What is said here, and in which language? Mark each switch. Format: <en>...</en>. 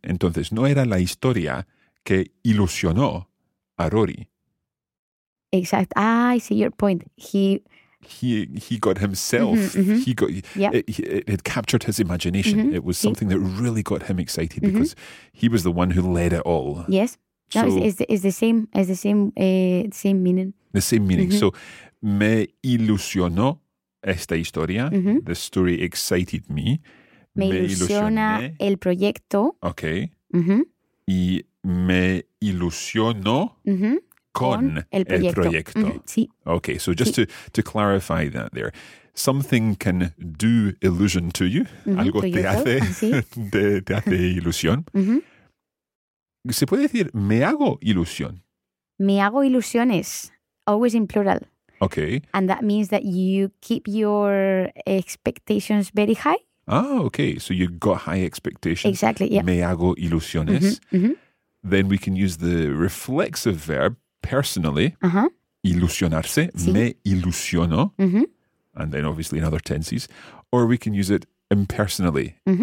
<es>Entonces, no era la historia que ilusionó a Rory.</es> <en>Exacto. Ah, I see your point. He got himself, it captured his imagination. It was something that really got him excited because he was the one who led it all. Yes. So, no, it's the same meaning. The same meaning.</en> <es>So, me ilusionó esta historia.</es> <en>The story excited me.</en> <es>Me ilusiona el proyecto. Okay. Y me ilusionó. Con el proyecto.</es> <en>Okay, so just to clarify that there. Something can do illusion to you.</en> <es>Algo proyecto, te hace ilusión. Se puede decir, me hago ilusión. Me hago ilusiones.</es> <en>Always in plural. Okay. And that means that you keep your expectations very high. Ah, okay. So you've got high expectations. Exactly, yeah.</en> <es>Me hago ilusiones.</es> <en>Then we can use the reflexive verb. Personally, ilusionarse, me ilusiono, and then obviously in other tenses, or we can use it impersonally.</en>